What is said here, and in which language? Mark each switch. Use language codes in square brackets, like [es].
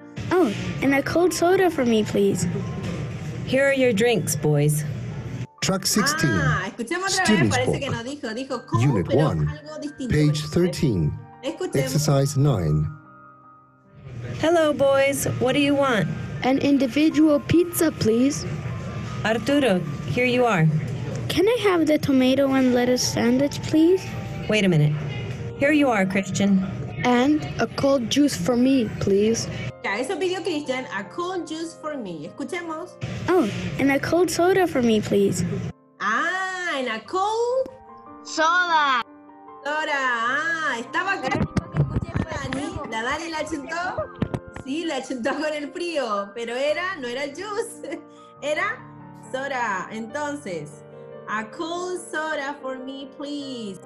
[en] Oh, and a cold soda for me, please. Here are your drinks, boys. Track 16. [es] Ah, escuchemos otra vez, parece book. Que no dijo. Dijo cold, pero [en] one, [es] algo distinto. [en] Page 13. [es] Escuchemos. [en] Exercise 9. Hello, boys. What do you want? An individual pizza, please. Arturo, here you are. Can I have the tomato and lettuce sandwich, please? Wait a minute. Here you are, Christian. And a cold juice for me, please. [es] Ya, eso pidió Christian. [en] A cold juice for me. [es] Escuchemos. [en] Oh, and a cold soda for me, please. Ah, and a cold soda. [es] Ahora, estaba acá, la Dani la chuntó, sí, la chuntó con el frío, pero era, no era juice, era soda. [en] Entonces, a cold soda for me, please.